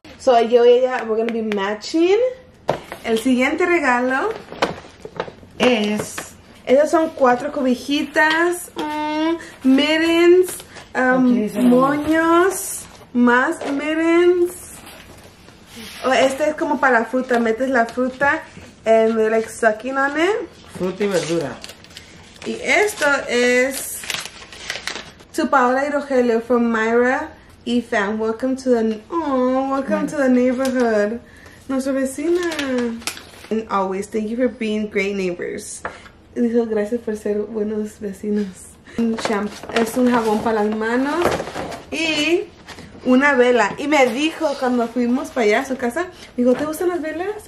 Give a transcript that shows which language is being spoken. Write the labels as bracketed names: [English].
[English] So, [Spanish] yo y ella, [English] we're going to be matching. [Spanish] El siguiente regalo... es... Esas son cuatro cobijitas, mittens, moños, más mittens. Oh, este es como para fruta, metes la fruta [English] and you're like sucking on it. [Spanish] Fruta y verdura. Y esto es tu Paola y Rogelio [English] from [Spanish] Myra y Fan. [English] Welcome to the, to the neighborhood. [Spanish] Nuestra vecina. [English] And always, thank you for being great neighbors. [Spanish] Dijo gracias por ser buenos vecinos. Un shampoo, es un jabón para las manos y una vela. Y me dijo cuando fuimos para allá a su casa, dijo, ¿te gustan las velas?